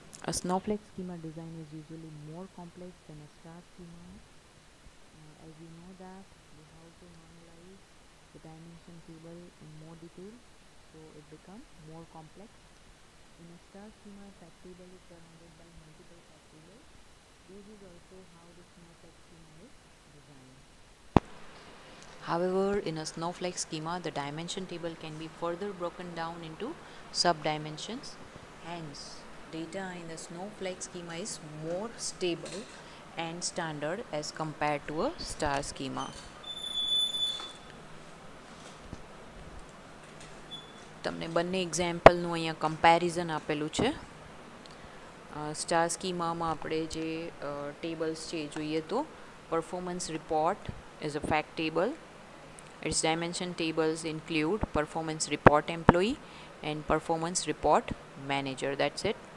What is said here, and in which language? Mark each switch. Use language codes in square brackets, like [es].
[en] A snowflake schema design is usually more complex than a star schema. As you know that you have to normalise the dimension table in more detail, so it become more complex. In a star schema fact table is surrounded by multiple fact table. This is also how the snowflake schema is designed. However, in a snowflake schema, the dimension table can be further broken down into sub-dimensions. Hence, data in the snowflake schema is more stable and standard as compared to a star schema. [gu] તમને બંને એક્ઝામ્પલનું અહીંયા comparison આપેલું છે. Star સ્કીમામાં આપણે જે tables છે જોઈએ તો [en] Performance report is a fact table. Its dimension tables include performance report employee and performance report manager, that's it.